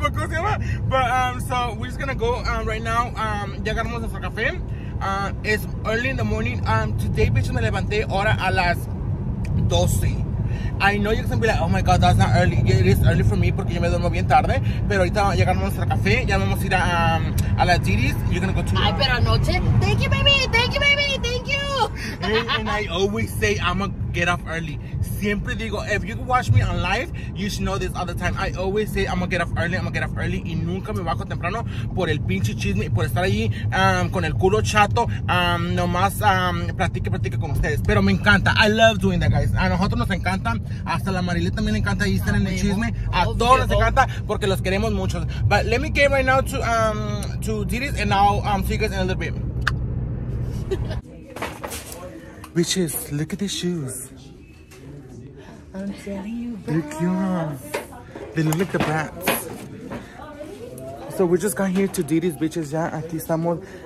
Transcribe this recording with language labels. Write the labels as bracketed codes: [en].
[en] but, so, we're just gonna go right now. [es] Ya agarramos nuestro café. [en] It's early in the morning. Today, bitch, [es] me levanté ahora a las 12. [en] I know you're gonna be like, oh my god, that's not early. It is early for me [es] porque yo me duermo bien tarde. Pero ahorita llegamos a nuestro café, ya vamos a ir a las titties. [en] You're gonna go to. [es] Ay, pero anoche. [en] Thank you, baby. Thank you, baby. Thank you. And I always say I'm gonna get up early. [es] Siempre digo, [en] if you watch me on live, you should know this all the time. I always say I'm gonna get up early. [es] Y nunca me bajo temprano por el pinche chisme y por estar allí con el culo chato. Nomás practique con ustedes. Pero me encanta. [en] I love doing that, guys. [es] A nosotros nos encanta. Hasta la Marilé también le encanta ahí estar en el chisme. A todos les encanta porque los queremos mucho. [en] But let me get right now to Didis and I'll see you guys in a little bit. Bitches, look at these shoes. I'm telling you, bro. They're cute. They look like the bats. So we just got here to Didis, bitches. [es] Ya aquí estamos.